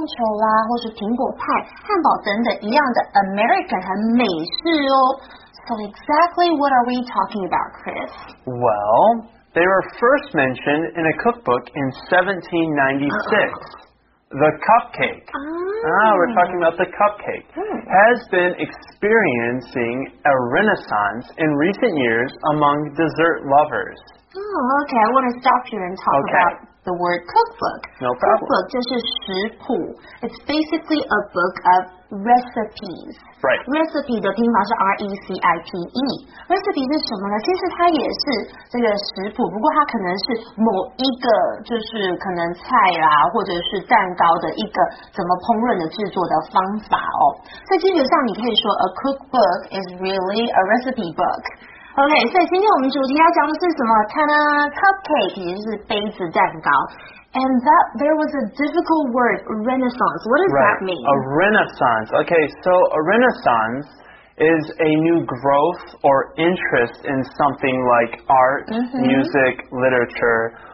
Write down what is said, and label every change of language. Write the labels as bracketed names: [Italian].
[Chinese] 也就是说，某一个甜点呢，他们就跟这个美国棒球啦，或是苹果派、汉堡等等一样的 American 很美式哦。 [English] So exactly what are we talking about, Chris? Well, they were first mentioned in a cookbook in 1796. The cupcake, we're talking about the cupcake, has been experiencing a renaissance in recent years among dessert lovers. Oh, okay, I want to stop here and talk about the word cookbook. No problem. Cookbook [Chinese] 就是食谱, [English] it's basically a book of recipes. Right. [Chinese] Recipe 的拼法是 R-E-C-I-P-E. Recipe 是什么呢? 其实它也是这个食谱, 不过它可能是某一个就是可能菜啦, 或者是蛋糕的一个怎么烹饪的制作的方法哦。所以基本上你可以说 [English] a cookbook is really a recipe book. [Chinese] OK, 所以今天我们主题要讲的是什么? Ta-da! Cupcake, 也就是杯子蛋糕。 [English] And that there was a difficult word, renaissance. What does that mean? A renaissance. Okay, so a renaissance is a new growth or interest in something like art, music, literature,